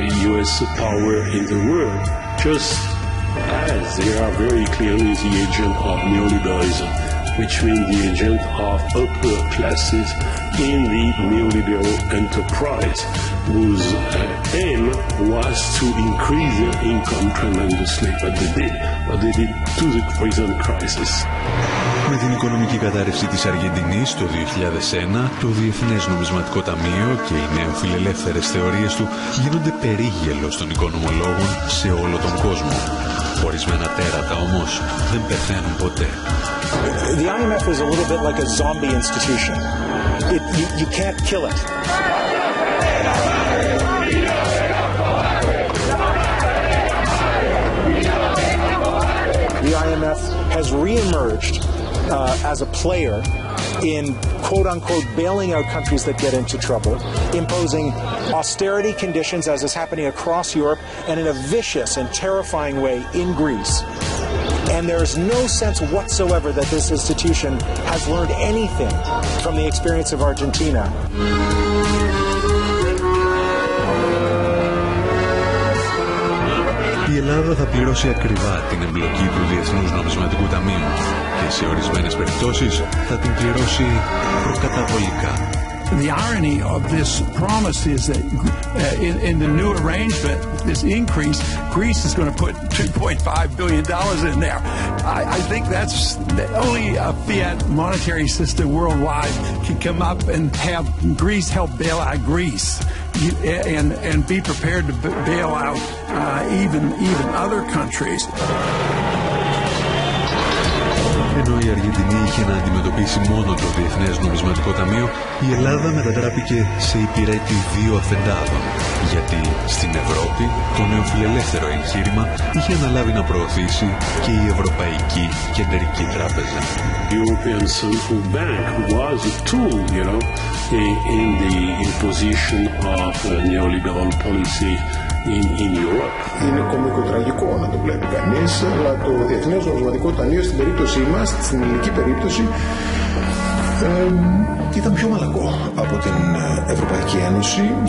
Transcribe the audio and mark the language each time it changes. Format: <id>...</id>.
<en>US power in the world, just as they are very clearly the agent of neoliberalism, which means the agent of upper classes in the neoliberal enterprise, whose aim was to increase their income tremendously, but they did. But they did to the present crisis.</en> <el>Με την οικονομική κατάρρευση της Αργεντινής το 2001, το Διεθνές Νομισματικό Ταμείο και οι νεοφιλελεύθερες θεωρίες του γίνονται περίγελος των οικονομολόγων σε όλο τον κόσμο. Ορισμένα τέρατα όμως δεν πεθαίνουν ποτέ.</el> <en>The IMF is a little bit like a zombie institution. You can't kill it. The IMF has re-emerged as a player in quote-unquote bailing out countries that get into trouble, imposing austerity conditions as is happening across Europe, and in a vicious and terrifying way in Greece. And there is no sense whatsoever that this institution has learned anything from the experience of Argentina.</en> <el>Η Ελλάδα θα πληρώσει ακριβά την εμπλοκή του Διεθνούς Νομισματικού Ταμείου και σε ορισμένες περιπτώσεις θα την πληρώσει προκαταβολικά.</el> <en>The irony of this promise is that in the new arrangement, this increase, Greece is going to put $2.5 billion in there. I think that's only a fiat monetary system worldwide can come up and have Greece help bail out Greece and be prepared to bail out even other countries.</en> <el>Ενώ η Αργεντινή είχε να αντιμετωπίσει μόνο το Διεθνές Νομισματικό Ταμείο, η Ελλάδα μετατράπηκε σε υπηρέτη δύο αφεντάδων. Γιατί στην Ευρώπη το νεοφιλελεύθερο εγχείρημα είχε αναλάβει να προωθήσει και η Ευρωπαϊκή Κεντρική Τράπεζα.</el> <en>Η European Central Bank was a tool, you know, in the imposition of neoliberal policy. In Europe.</en> <el>Είναι κωμικοτραγικό να το βλέπει κανείς, αλλά το Διεθνές Νομισματικό Ταμείο στην περίπτωση μας, στην ελληνική περίπτωση, ήταν πιο μαλακό από την Ευρωπαϊκή Ένωση.</el>